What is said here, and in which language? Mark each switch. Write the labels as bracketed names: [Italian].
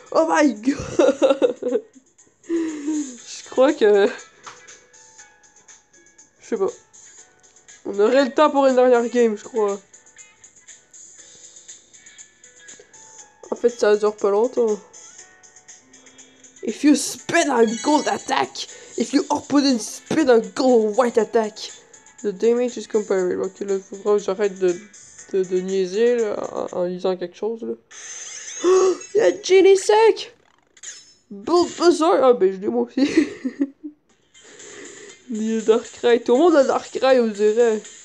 [English] Oh my god! [French] Je crois que... Je sais pas. On aurait le temps pour une dernière game, je crois. En fait, ça dure pas longtemps. [English] If you spin a gold attack, if you opponent spin a gold white attack, the damage is comparable. [French] Ok, là, faut que j'arrête de niaiser là, en lisant quelque chose. Là. Oh, y'a Genie Sec! Bull Buzzer! Ah, ben je l'ai moi aussi. Nia Darkrai, tout le monde a Darkrai, on dirait.